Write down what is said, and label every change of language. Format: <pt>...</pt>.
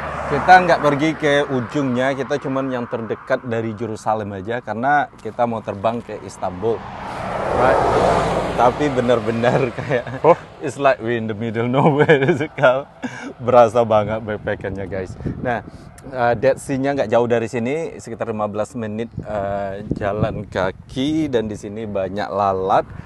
<id>Kita nggak pergi ke ujungnya, kita cuma yang terdekat dari Jerusalem aja karena kita mau terbang ke Istanbul.</id> <en>Right.</en> <id>Tapi benar-benar kayak</id> <en>it's like we in the middle nowhere, is it, Carl?</en> <id>Berasa banget backpackernya, guys. Nah, Dead Sea-nya nggak jauh dari sini, sekitar 15 menit jalan kaki, dan di sini banyak lalat.</id>